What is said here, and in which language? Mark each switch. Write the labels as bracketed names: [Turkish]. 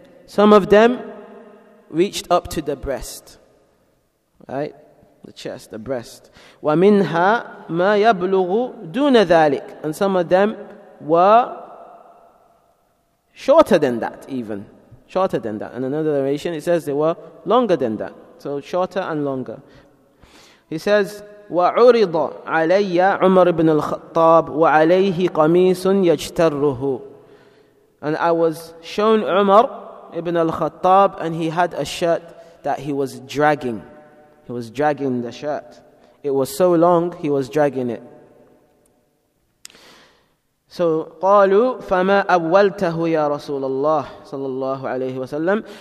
[English] Some of them reached up to the breast. Right? The chest, the breast. [Arabic] وَمِنْهَا مَا يَبْلُغُ دُونَ ذَلِكَ. [English] And some of them were shorter than that. In another narration, it says they were longer than that. So shorter and longer. He says, [Arabic] وَعُرِضَ عَلَيَّ عُمَرِ بْنِ الْخَطَّابِ وَعَلَيْهِ قَمِيسٌ يَجْتَرُّهُ. [English] And I was shown Umar ibn al-Khattab, and he had a shirt that he was dragging. He was dragging the shirt. It was so long, he was dragging it. [Arabic] So, قَالُوا فَمَا أَوَّلْتَهُ يَا رَسُولَ اللَّهِ صَلَى اللَّهُ عَلَيْهِ وَسَلَّمْ.